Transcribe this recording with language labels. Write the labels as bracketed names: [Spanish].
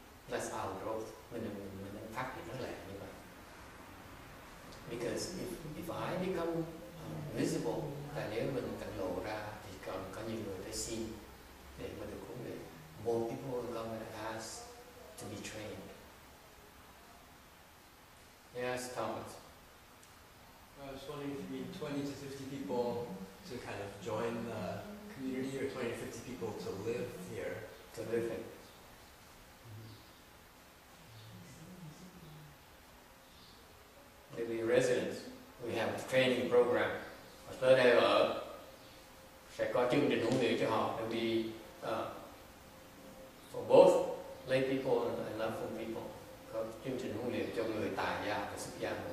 [English] That's our growth. [Vietnamese] Mình phát triển rất là như vậy. [English] Because if I become visible, [Vietnamese] tại nếu mình cần lộ ra thì cần có nhiều người để xin để mà được huấn luyện. [English] More people are going to ask to be trained. Yes, Thomas. I was wondering if you need 20 to 50 people to kind of join the community, or 20 to 50 people to live here. To live here. We residents, we have a training program. [Vietnamese] Ở tới đây ở sẽ có chương trình huấn luyện cho họ. [English] It'll be for both lay people and lay full people. [Vietnamese] Có chương trình huấn luyện cho người tại gia và xuất gia.